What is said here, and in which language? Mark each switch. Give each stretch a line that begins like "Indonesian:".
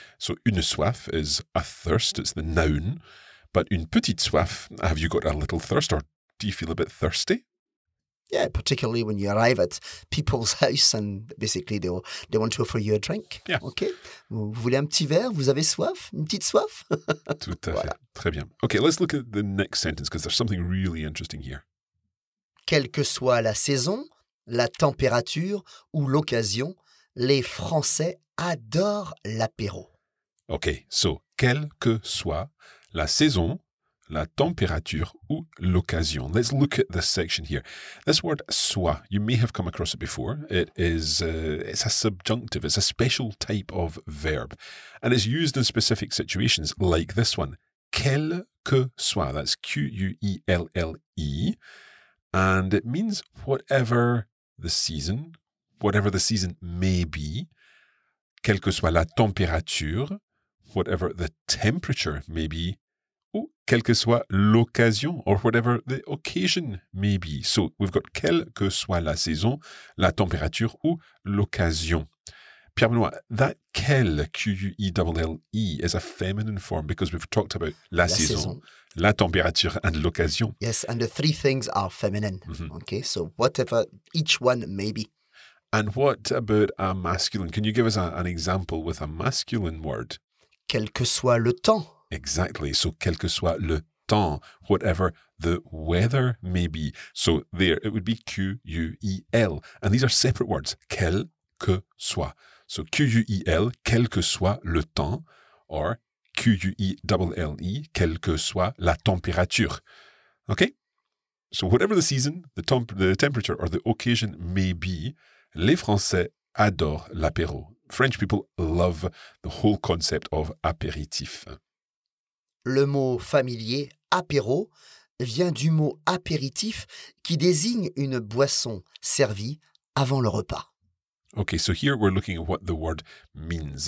English: So une soif is a thirst. It's the noun. But
French: une petite soif,
English: have you got a little thirst or do you feel a bit thirsty? Yeah, particularly when you arrive at people's house and basically they want to offer you a drink. Yeah.
French: Okay. Vous voulez un petit verre? Vous avez soif? Une petite soif? Tout à fait. Voilà. Très bien.
English: Okay, let's look at the next sentence because there's something really interesting here.
French: Quelle que soit la saison, la température ou l'occasion, les Français adorent l'apéro.
English: OK, so,
French: quelle que soit la saison, la température ou l'occasion.
English: Let's look at this section here. This word, soit, you may have come across it before. It is it's a subjunctive, it's a special type of verb. And it's used in specific situations like this one.
French: Quelle que soit,
English: that's Q-U-E-L-L-E. And it means whatever the season, whatever the season may be,
French: quelle que soit la température,
English: whatever the temperature may be,
French: ou quelle que soit l'occasion,
English: or whatever the occasion may be. So we've got
French: quelle que soit la saison, la température, ou l'occasion.
English: Pierre-Benoît, that quelle, Q-U-E-L-L-E, is a feminine form because we've talked about
French: la saison. La température and l'occasion.
English: Yes, and the three things are feminine. Mm-hmm. Okay, so whatever each one may be. And what about a masculine? Can you give us an example with a masculine word?
French: Quel que soit le temps.
English: Exactly, so
French: quel que soit le temps,
English: whatever the weather may be. So there, it would be Q-U-E-L. And these are separate words,
French: quel que soit. So Q-U-E-L, quel que soit le temps, or Q-U-E-L-L-E, quelle que soit la température.
English: Okay? So whatever the season, the temperature or the occasion may be,
French: les Français adorent l'apéro.
English: French people love the whole concept of apéritif.
French: Le mot familier, apéro, vient du mot apéritif qui désigne une boisson servie avant le repas.
English: Okay, so here we're looking at what the word means.